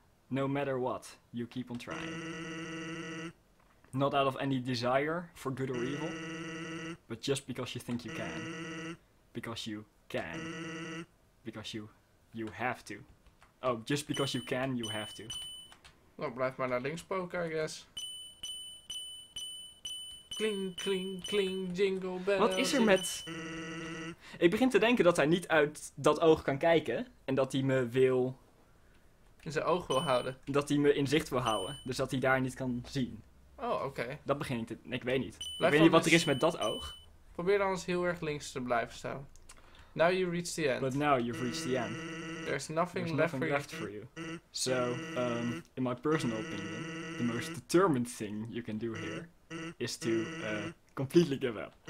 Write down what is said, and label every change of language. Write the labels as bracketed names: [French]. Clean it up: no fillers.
[English] no matter what, you keep on trying. Not out of any desire for good or evil, but just because you think you can. Because you can. Because you have to. Oh, just because you can, you have to. [Dutch] Nou, blijf maar naar links poken, [English] I guess. Kling, kling, kling, jingle bell. [Dutch] Wat is er met... Ik begin te denken dat hij niet uit dat oog kan kijken en dat hij me wil... In zijn oog wil houden. Dat hij me in zicht wil houden. Dus dat hij daar niet kan zien. Oh, oké. Okay. Dat begin ik te... Ik weet niet. Blijf, ik weet niet wat er is met dat oog. Probeer dan eens heel erg links te blijven staan. [English] Now you reach the end. But now you've reached the end. There's nothing left for you. So, in my personal opinion, the most determined thing you can do here is to completely give up.